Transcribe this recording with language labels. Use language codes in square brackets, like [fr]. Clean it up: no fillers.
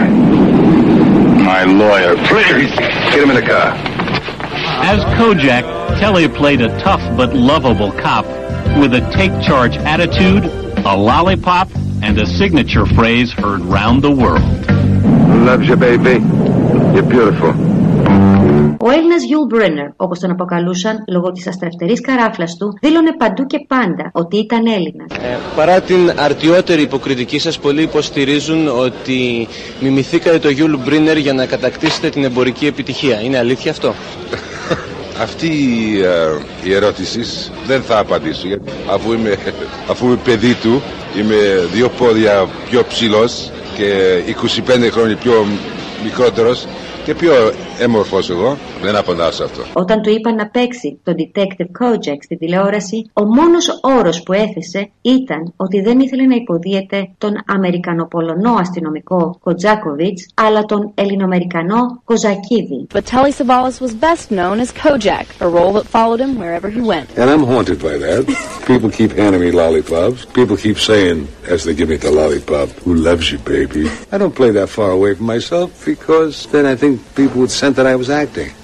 [en] My lawyer, please. Get him in the car. As Kojak, Telly played a tough but lovable cop with a take-charge attitude, a lollipop, and a signature phrase heard round the world. Loves you, baby. You're beautiful. [el] Ο Έλληνας Γιουλ Μπρένερ, όπως τον αποκαλούσαν λόγω της αστραφτερής καράφλας του, δήλωνε παντού και πάντα ότι ήταν Έλληνας. Παρά την αρτιότερη υποκριτική σας, πολλοί υποστηρίζουν ότι μιμηθήκατε το Γιουλ Μπρένερ για να κατακτήσετε την εμπορική επιτυχία. Είναι αλήθεια αυτό? Αυτή η ερώτηση δεν θα απαντήσω, αφού είμαι, παιδί του, είμαι δύο πόδια πιο ψηλός και 25 χρόνια πιο μικρότερος και πιο έμορφος εγώ, δεν απαντάω αυτό. Όταν του είπα να παίξει τον Detective Kojak στην τηλεόραση, ο μόνος όρος που έθεσε ήταν ότι δεν ήθελε να υποδίεται τον Αμερικανοπολωνό αστυνομικό Kojakovich, αλλά τον Ελληνοαμερικανό Κοζακίδη. [en] But Telly Savalas was best known as Kojak, a role that followed him wherever he went. And I'm haunted by that. People keep handing me lollipops. People keep saying, as they give me the lollipop, who loves you, baby? I don't play that far away from myself, because then I think people would sense that I was acting.